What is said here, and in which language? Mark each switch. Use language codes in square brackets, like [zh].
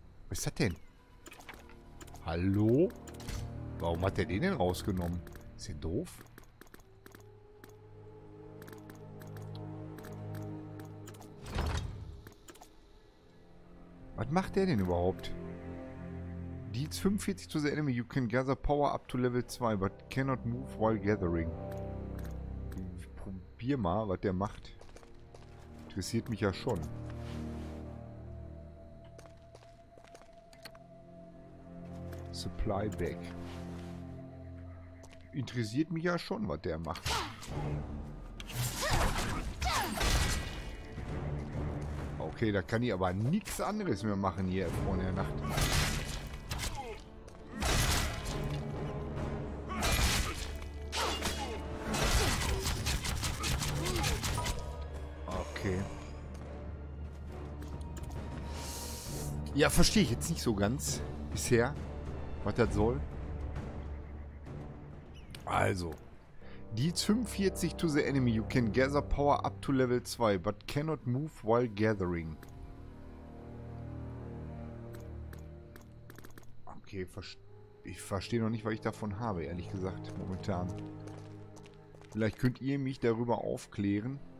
[de] Was ist das denn? Hallo? Warum hat der den denn rausgenommen? Ist der doof? Was macht der denn überhaupt? [en] Deals 45 to the enemy. You can gather power up to level 2, but cannot move while gathering. [de] Ich probier mal, was der macht. Interessiert mich ja schon. [en] Supply back. [de] Interessiert mich ja schon, was der macht. Okay, da kann ich aber nichts anderes mehr machen hier vorne der Nacht. Ja, verstehe ich jetzt nicht so ganz bisher, was das soll. [en] Also, Deals 45 to the enemy. You can gather power up to level 2, but cannot move while gathering. [de] Okay, ich verstehe noch nicht, was ich davon habe, ehrlich gesagt, momentan. Vielleicht könnt ihr mich darüber aufklären.